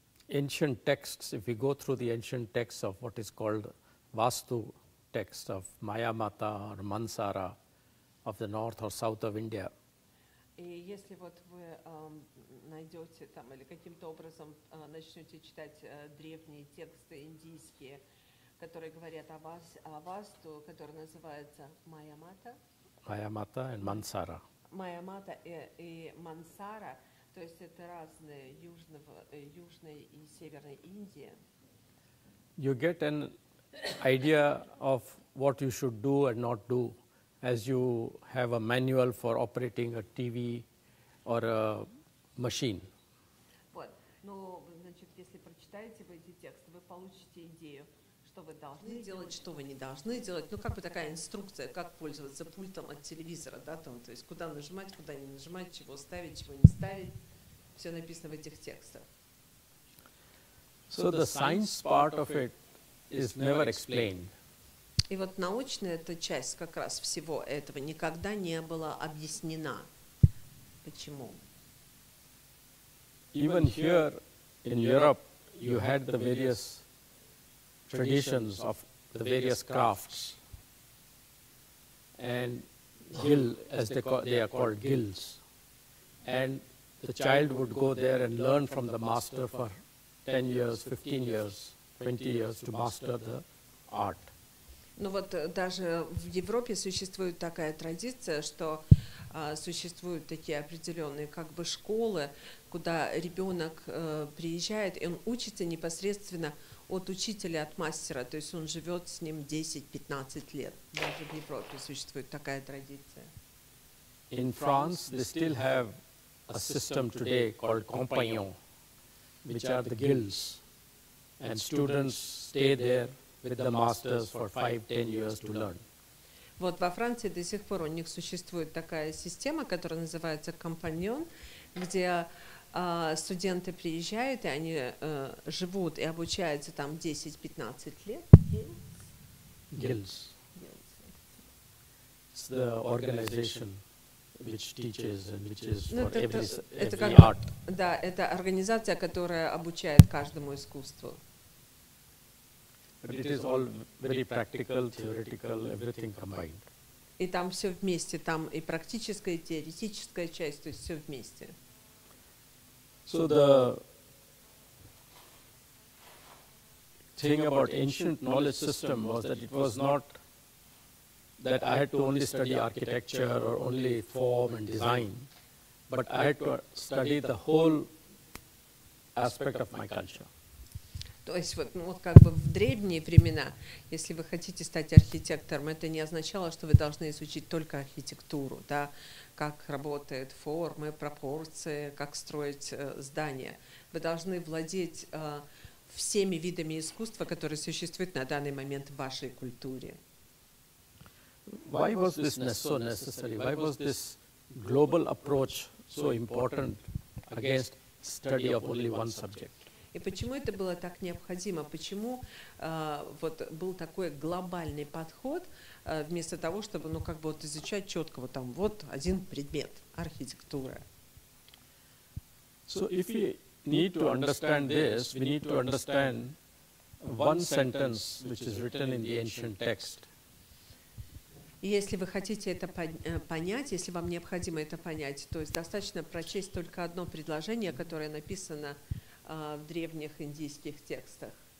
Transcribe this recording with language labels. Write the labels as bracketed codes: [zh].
[en] Ancient texts, if we go through the ancient texts of what is called Vastu text of Mayamata or Mansara of the north or south of India. [ru] И если вот вы найдете там или каким-то образом начнете читать древние тексты индийские, которые говорят о Vastu, который называется Mayamata. Mayamata and Mansara. Mayamata и Mansara. То есть это разные южной и северной Индии. [en] You get an idea of what you should do and not do as you have a manual for operating a TV or a machine. [ru] Вот. Ну, значит, если прочитаете вы эти тексты, вы получите идею, что вы должны делать, что вы не должны делать. Ну, как бы такая инструкция, как пользоваться пультом от телевизора, да, там, то есть куда нажимать, куда не нажимать, чего ставить, чего не ставить. Все написано в этих текстах. [en] So the science part of it is never explained. [ru] И вот научная эта часть как раз всего этого никогда не была объяснена. Почему? [en] Even here in Europe, you had the various traditions of the various crafts. And gil, as they are called guilds. And the child would go there and learn from the master for 10 years, 15 years, 20 years to master the art. [ru] Ну вот даже в Европе существует такая традиция, что существуют такие определенные как бы школы, куда ребенок приезжает, и он учится непосредственно от учителя, от мастера, то есть он живет с ним 10-15 лет. Даже в Европе существует такая традиция. [en] In France, they still have a system today called compagnon, which are the guilds, and students stay there with the masters for 5-10 years to learn. [ru] Вот во Франции до сих пор у них существует такая система, которая называется компаньон, где студенты приезжают и они живут и обучаются там 10-15 лет. [en] Guilds. it's the organization which teaches and which is [ru] ну, [en] for [ru] это, [en] every [ru] как, [en] art. [ru] Да, это организация, которая обучает каждому искусству. [en] But it is all very practical, theoretical, everything combined. [ru] И там все вместе, там и практическая, и теоретическая часть, то есть все вместе. [en] So the thing about ancient knowledge system was that it was not that I had to only study architecture or only form and design, but I had to study the whole aspect of my culture. [ru] То есть вот, ну, вот как бы в древние времена, если вы хотите стать архитектором, это не означало, что вы должны изучить только архитектуру, да, как работают формы, пропорции, как строить здания. Вы должны владеть всеми видами искусства, которые существуют на данный момент в вашей культуре. [en] Why was this so necessary? Why was this global approach so important against study of only one subject? [ru] И почему это было так необходимо? Почему вот был такой глобальный подход вместо того, чтобы, ну, как бы вот изучать четко вот там вот один предмет архитектура? [en] So if we need to understand this, we need to understand one sentence which is written in the ancient text. [ru] Если вы хотите это понять, если вам необходимо это понять, то есть достаточно прочесть только одно предложение, которое написано в древних индийских текстах.